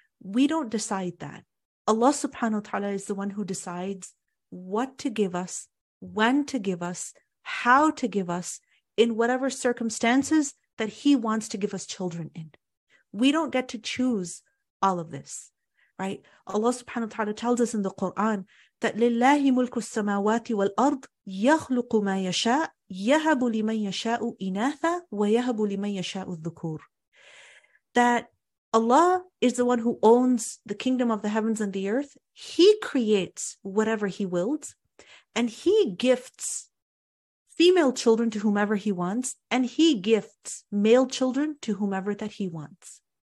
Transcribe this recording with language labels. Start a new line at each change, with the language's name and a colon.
English: We don't decide that. Allah subhanahu wa ta'ala is the one who decides what to give us, when to give us, how to give us, in whatever circumstances that He wants to give us children in. We don't get to choose all of this, right? Allah subhanahu wa ta'ala tells us in the Quran that
Arabic: لِلَّهِ مُلْكُ السَّمَاوَاتِ وَالْأَرْضِ يَخْلُقُ مَا يَشَاءُ يَهَبُ لِمَنْ يَشَاءُ إِنَاثًا وَيَهَبُ لِمَنْ يَشَاءُ الذُّكُورِ.
English: That Allah is the one who owns the kingdom of the heavens and the earth. He creates whatever He wills, and He gifts female children to whomever He wants, and He gifts male children to whomever that He wants.